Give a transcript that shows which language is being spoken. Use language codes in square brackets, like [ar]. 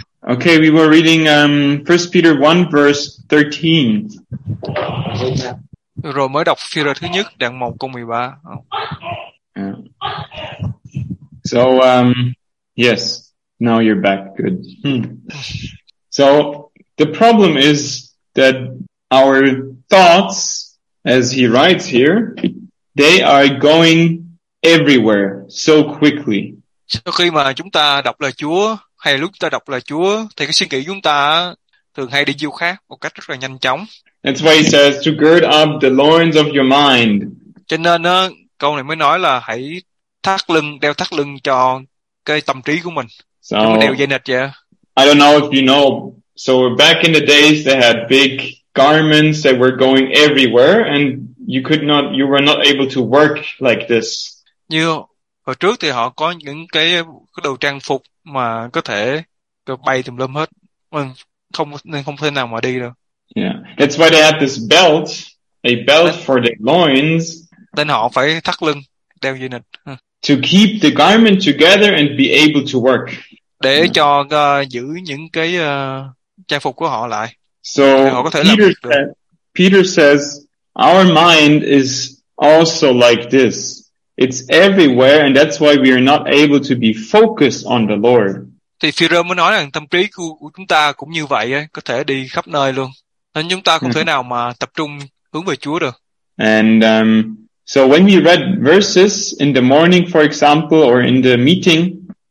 [en] Okay, we were reading 1 Peter 1 verse 13. [vi] Rồi mới đọc phi rơ thứ nhất, đoạn 1 câu 13. [en] So, yes. Now you're back. Good. So the problem is that our thoughts, as he writes here, they are going everywhere so quickly. [vi] Sau khi mà chúng ta đọc lời Chúa, hay lúc ta đọc lời Chúa, thì cái suy nghĩ chúng ta thường hay đi chiều khác một cách rất là nhanh chóng. [en] That's why he says to gird up the loins of your mind. [vi] Cho nên câu này mới nói là hãy thắt lưng, đeo thắt lưng cho cái tâm trí của mình. [en] So, [vi] đeo dây nịt vậy. [en] I don't know if you know, so back in the days they had big garments that were going everywhere and you were not able to work like this. [vi] Như hồi trước thì họ có những cái đồ trang phục mà có thể bay tùm lum hết, không thể nào mà đi đâu. [en] Yeah, that's why they had this belt, a belt for their loins. [vi] Nên họ phải thắt lưng, đeo dây nịt. [en] To keep the garment together and be able to work. [vi] Để cho giữ những cái trang phục của họ lại. [en] So [vi] họ có thể [en] Peter says, our mind is also like this. It's everywhere and that's why we are not able to be focused on the Lord. [vi] Thì Peter mới nói rằng tâm trí của chúng ta cũng như vậy, có thể đi khắp nơi luôn. Nên chúng ta không thể nào mà tập trung hướng về Chúa được. [en] And so when we read verses in the morning, for example, or in the meeting,